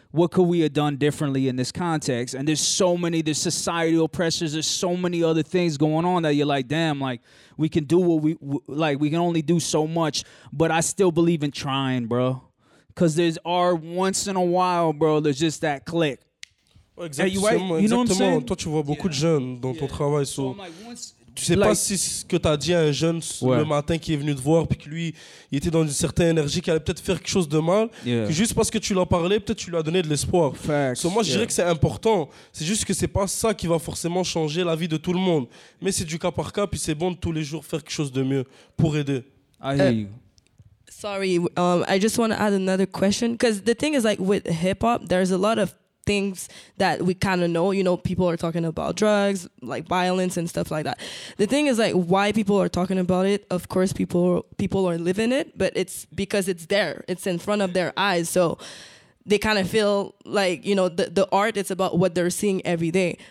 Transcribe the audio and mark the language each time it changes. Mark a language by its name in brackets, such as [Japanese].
[English] What could we have done differently in this context? And there's so many, there's societal pressures, there's so many other things going on that you're like, damn, like, we can do what we can only do so much, but I still believe in trying, bro. Because there's are once in a while, bro, there's just that click. [French] Exactement, exactement. Toi, tu vois beaucoup de jeunes dans ton travail. So, tu sais pas si ce que tu as dit à un jeune le matin qui est venu te voir, puis que lui, il était dans une certaine énergie qui allait peut-être faire quelque chose de mal, que juste parce que tu lui as parlé, peut-être tu lui as donné de l'espoir. [English] Facts. [French] So, moi, je dirais que c'est important. C'est juste que c'est pas ça qui va forcément changer la vie de tout le monde. Mais c'est du cas par cas, puis c'est bon de tous les jours faire quelque chose de mieux pour aider. [English] Sorry, I just want to add another question. Because the thing is, like, with hip-hop, there's a lot of things that we kind of know, you know, people are talking about drugs, like violence and stuff like that. The thing is, like, why people are talking about it, of course people are living it, but it's because it's there, it's in front of their eyes, so they kind of feel like, you know, the art, it's about what they're seeing every day.